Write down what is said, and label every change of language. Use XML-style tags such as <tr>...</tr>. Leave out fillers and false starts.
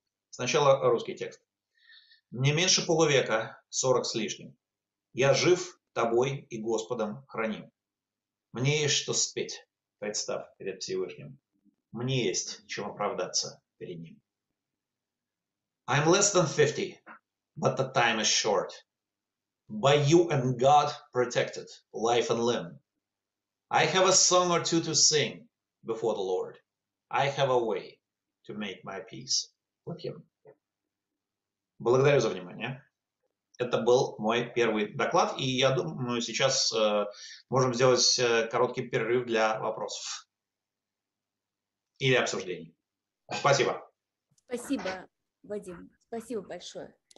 <ru>Сначала русский текст. «Не меньше полувека, 40 с лишним, я жив тобой и Господом храним. Мне есть что спеть, представь, перед Всевышним. Мне есть чем оправдаться перед Ним.</ru> <en>I'm less than 50, but the time is short. by you and God protected life and limb. I have a song or two to sing before the Lord. I have a way to make my peace with him.</en> <ru>Благодарю за внимание. Это был мой первый доклад, и я думаю, сейчас можем сделать короткий перерыв для вопросов или обсуждений. Спасибо. Спасибо, Вадим. Спасибо большое.</ru>